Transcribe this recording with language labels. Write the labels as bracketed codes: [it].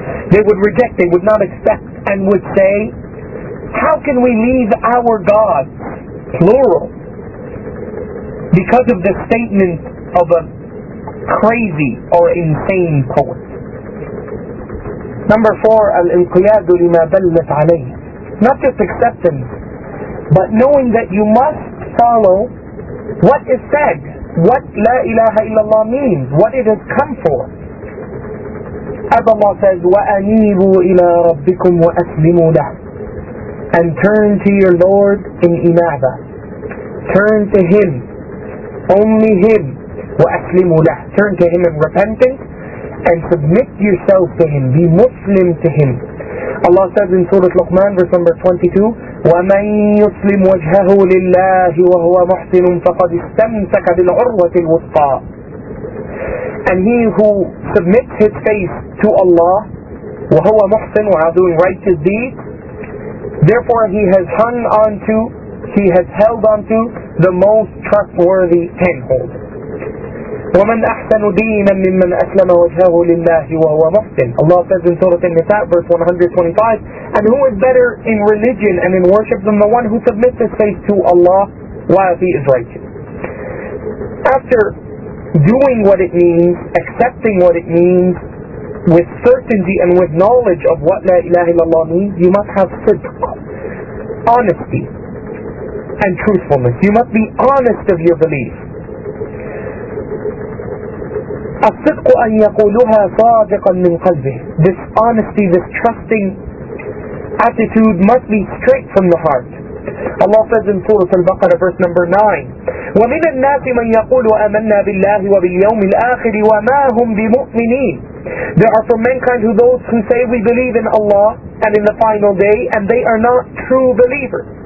[en] They would reject, they would not accept, and would say, how can we leave our God, plural, because of the statement of a crazy or insane poet? Number four, [ar] الانقياد لما دلت عليه. [en] Not just acceptance, but knowing that you must follow what is said, what La ilaha illallah means, what it has come for. As Allah says, [ar] وَأَنِيبُوا إِلَىٰ رَبِّكُمْ وَأَسْلِمُوا لَهُ. [en] And turn to your Lord in inaba. Turn to Him, only Him. [ar] وَأَسْلِمُوا لَهُ. [en] Turn to Him in repentance and submit yourself to Him. Be Muslim to Him. Allah says in Surah Luqman, verse number 22, [ar] وَمَنْ يُسْلِمْ وَجْهَهُ لِلَّهِ وَهُوَ مُحْسِنٌ فَقَدْ اسْتَمْسَكَ بِالْعُرْوَةِ الْوُثْقَى. [en] And he who submits his face to Allah, [ar] وَهُوَ مُحْسِنٌ وَعَذُونَ, [en] righteous deeds, therefore he has hung on to, he has held on to the most trustworthy handhold. [ar] وَمَنْ أَحْسَنُ دِينًا مِّمَّنْ أَسْلَمَ وَجْهَهُ لِلَّهِ وَهُوَ مُحْسِنٌ. [en] Allah says in Surah An-Nisa, verse 125, and who is better in religion and in worship than the one who submits his face to Allah while he is righteous? After doing what it means, accepting what it means, with certainty and with knowledge of what La ilaha illallah means, you must have sidq, honesty, and truthfulness. You must be honest of your belief. [ar] الصدق أن يقولها صادقا من قلبه. [en] This honesty, this trusting attitude must be straight from the heart. Allah says in Surah Al-Baqarah, verse number 9, [ar] وَمِنَ النَّاسِ مَنْ يَقُولُ أَمَنَّا بِاللَّهِ وَبِالْيَوْمِ الْآخِرِ وَمَا هُمْ بِمُؤْمِنِينَ. [en] There are from mankind who those who say we believe in Allah and in the final day, and they are not true believers.